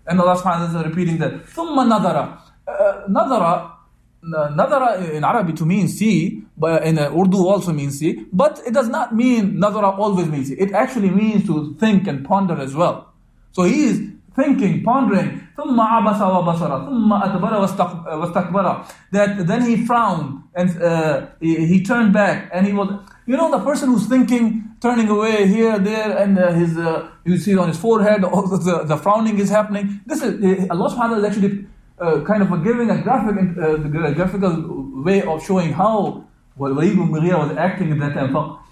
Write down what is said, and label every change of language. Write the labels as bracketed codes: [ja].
[en] And Allah subhanahu wa ta'ala is repeating that. [ar] ثُمَّ نَذَرَ. [en] Nadara in Arabic to mean see, but in Urdu also means see, but it does not mean nadara always means see. It actually means to think and ponder as well. So he is thinking, pondering, [ar] ثم عبس وبصر ثم أدبر واستكبر. [en] That then he frowned and he turned back, and he was, you know, the person who's thinking, turning away here, there, and you see it on his forehead, all the frowning is happening. This is Allah subhanahu wa ta'ala is actually kind of a giving a graphical way of showing how Walid ibn Mughira was acting in that time.